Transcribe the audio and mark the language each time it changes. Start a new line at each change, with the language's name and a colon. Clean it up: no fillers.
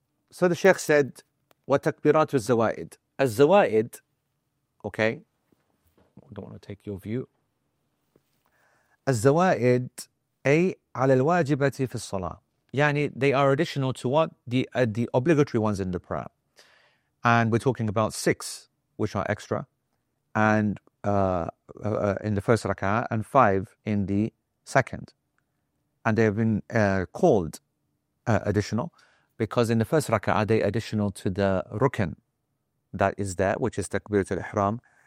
English: So the Sheikh said,
Arabic: وَتَكْبِرَاتُ الزَّوَائِدِ. الزَّوَائِد,
English: okay, I don't want to take your view.
Arabic: الزَّوَائِد, أي على الواجبة في الصلاة. يعني
English: they are additional to what? The obligatory ones in the prayer. And we're talking about six, which are extra, and in the first rak'ah, and five in the second. And they have been called additional. Because in the first raka'ah, they additional to the rukn that is there, which is takbiratul ihram.